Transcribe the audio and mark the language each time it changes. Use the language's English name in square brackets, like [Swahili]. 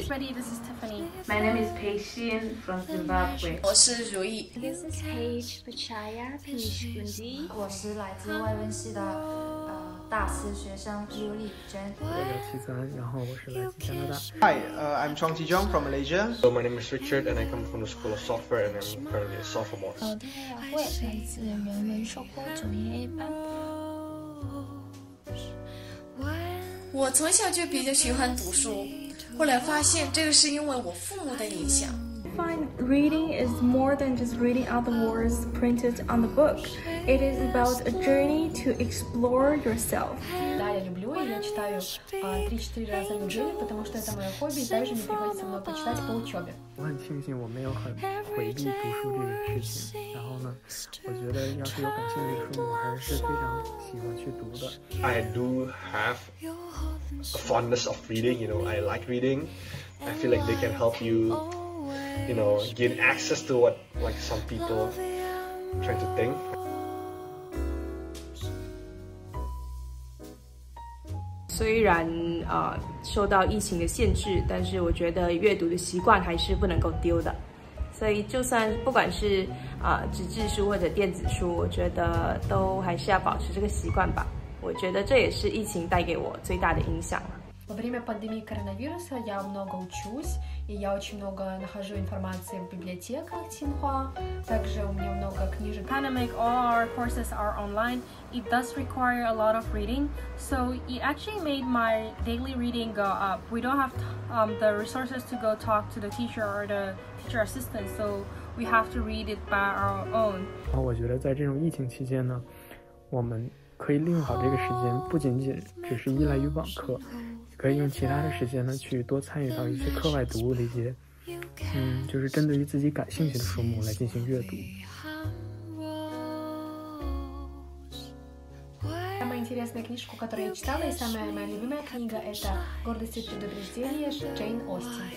[English] Freddy, this is Tiffany. My name is Pei Xin from Zimbabwe. [Chinese] 我是如意。 [English] This is Paige Pachaya, Paige Gundi. [Chinese] 我是来自外文系的大四学生 Julie [English] Jen. [Chinese] 我叫齐三，然后我是来自加拿大。 [English] Hi, I'm Chong Ji Jong from Malaysia. So my name is Richard, and I come from the School of Software, and I'm currently a sophomore. [Chinese] 我我从小就比较喜欢读书，后来发现这个是因为我父母的影响。 [English] I find reading is more than just reading out the words printed on the book. It is about a journey to explore yourself. [Russian] Да, я люблю и я читаю 3-4 раза в неделю, потому что это мое хобби, и также мне приходится много почитать по учебе. [Chinese] 我很庆幸我没有很回避读书这个事情。然后呢，我觉得要是有感兴趣的书，我还是非常喜欢去读的。 [English] I do have a fondness of reading. You know, I like reading. I feel like they can help you. You know, gain access to what like some people try to think. [Chinese] So,受到疫情的限制，但是我觉得阅读的习惯还是不能够丢的。所以，就算不管是纸质书或者电子书，我觉得都还是要保持这个习惯吧。我觉得这也是疫情带给我最大的影响。 [Russian] Во время пандemii коронавируса я много учусь, и я очень много нахожу информации в библиотеках Tsinghua. Также у меня много книжек. [English] Kind of make all our courses are online. It does require a lot of reading, so it actually made my daily reading go up. We don't have the resources to go talk to the teacher or the teacher assistant, so we have to read it by our own. [Chinese] 然后我觉得在这种疫情期间呢，我们可以利用好这个时间，不仅仅只是依赖于网课。可以用其他的时间呢去多参与到一些课外读物的一些就是针对于自己感兴趣的书目来进行阅读。 [Russian] Самая интересная книжка, которую я читала, и самая моя любимая книга это «Гордость и предубеждение» Джейн Остин.